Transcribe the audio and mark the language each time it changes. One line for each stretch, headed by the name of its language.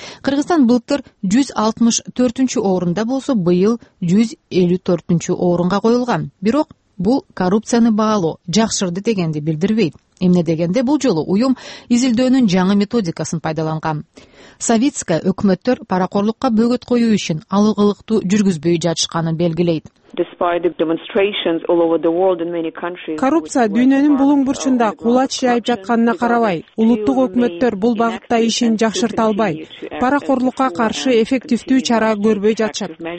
Kyrgyz: Кыргызстан былтыр 164-чү орунда болсо, быйыл 154-чү орунга коюлган. Бирок бул коррупцияны баалоо жакшырды дегенди билдирбейт. Эмне дегенде бул жолу уюм изилдөөнүн жаңы методикасын пайдаланган. Савицкая өкмөттөр паракорлукка бөгөт коюу үчүн алгылыктуу жүргүзбөй жатышканын белгилейт.
English: Despite the demonstrations all over the world in many countries.
Kyrgyz: Коррупция дүйнөнүн булуң бурчунда кулач жайып жатканына карабай, улуттук өкмөттөр бул багытта ишин жакшырта албай, паракорлукка каршы эффективдүү чара көрбөй жатышат.